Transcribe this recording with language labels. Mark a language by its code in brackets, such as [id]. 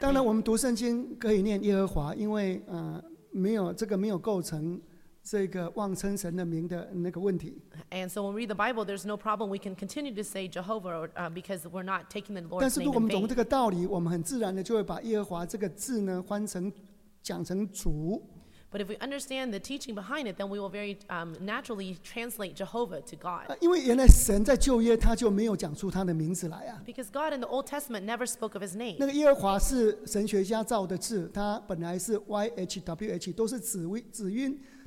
[zh] 当然，我们读圣经可以念耶和华，因为没有这个没有构成这个妄称神的名的那个问题。 [en] And so when we read the Bible, there's no problem. We can continue to say Jehovah because we're not taking the Lord's name in vain. [zh] 但是如果我们懂这个道理，我们很自然的就会把耶和华这个字呢翻成讲成主。 [en] But if we understand the teaching behind it, then we will very naturally translate Jehovah to God. [zh] 因为原来神在旧约他就没有讲出他的名字来啊。 [en] Because God in the Old Testament never spoke of his name. [zh] 那个耶和华是神学家造的字，他本来是 YHWH， 都是子音，